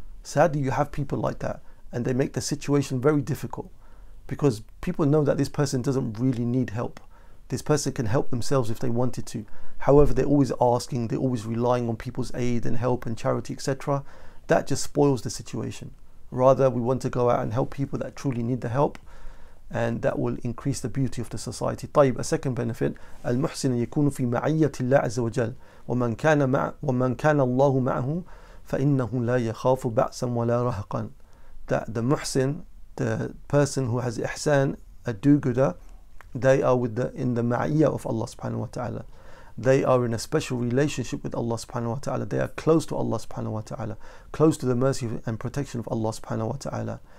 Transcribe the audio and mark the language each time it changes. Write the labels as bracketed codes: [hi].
[en] Sadly, you have people like that, and they make the situation very difficult, because people know that this person doesn't really need help. This person can help themselves if they wanted to. However, they're always asking, they're always relying on people's aid and help and charity, etc. That just spoils the situation. Rather, we want to go out and help people that truly need the help, and that will increase the beauty of the society. [ar] طيب, [en] a second benefit, [ar] المحسن يكون في معية الله عز وجل ومن كان الله معه فإنه لا يخاف بأسا ولا رهقا. [en] That the muhsin, the person who has ihsan, a do-gooder, they are in the ma'iyya of Allah subhanahu wa ta'ala. They are in a special relationship with Allah subhanahu wa ta'ala. They are close to Allah subhanahu wa ta'ala, close to the mercy and protection of Allah subhanahu wa ta'ala.